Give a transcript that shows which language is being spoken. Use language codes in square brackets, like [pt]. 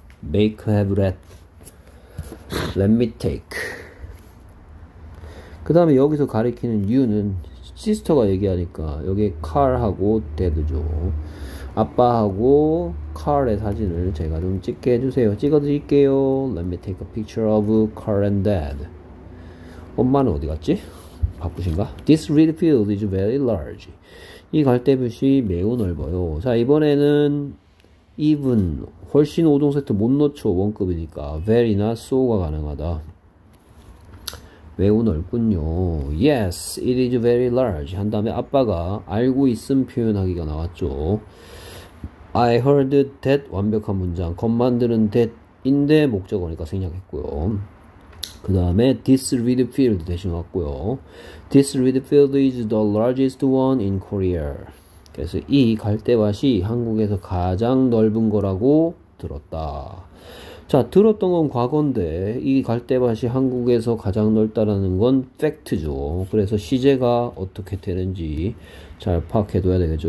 [en] Make, have, let, let me take. [ko] 그 다음에 여기서 가리키는 you는 시스터가 얘기하니까 여기 칼하고 데드죠. 아빠하고 칼의 사진을 제가 좀 찍게 해주세요. 찍어드릴게요. [en] Let me take a picture of Carl and Dad. [ko] 엄마는 어디 갔지? 바쁘신가? [en] This reed field is very large. [ko] 이 갈대밭이 매우 넓어요. 자, 이번에는 even 훨씬 5종 세트 못 넣죠. 원급이니까 very나 so가 가능하다. 매우 넓군요. [en] Yes, it is very large. [ko] 한 다음에 아빠가 알고 있음 표현하기가 나왔죠. [en] I heard that [ko] 완벽한 문장. 겉 만드는 that인데 목적어니까 생략했고요. 그 다음에 this reed field 대신 왔고요. [en] This reed field is the largest one in Korea. [ko] 그래서 이 갈대밭이 한국에서 가장 넓은 거라고 들었다. 자, 들었던 건 과거인데, 이 갈대밭이 한국에서 가장 넓다라는 건 팩트죠. 그래서 시제가 어떻게 되는지 잘 파악해둬야 되겠죠.